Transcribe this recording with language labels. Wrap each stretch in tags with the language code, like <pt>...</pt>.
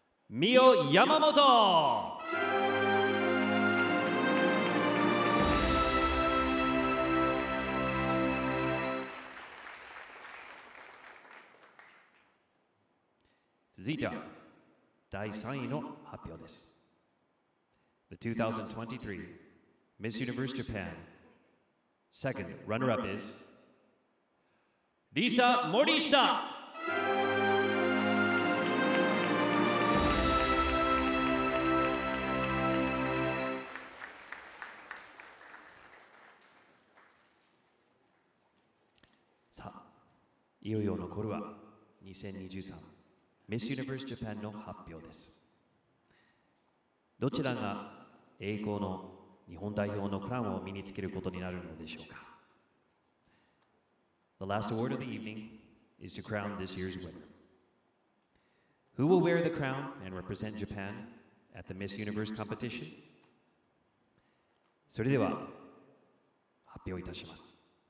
<en>Mio Yamamoto!</en> <ja>続いては第3位の発表です。</ja> <en>The 2023 Miss Universe Japan Second runner-up is Lisa Morishita!</en> <ja>さあ、いよいよ残るは2023ミス・ユニバース・ジャパンの発表です。どちらが栄光の日本代表のクラウンを身につけることになるのでしょうか。</ja> <en>The last award of the evening is to crown this year's winner. Who will wear the crown and represent Japan at the Miss Universe competition?</en> <ja>それでは発表いたします。</ja>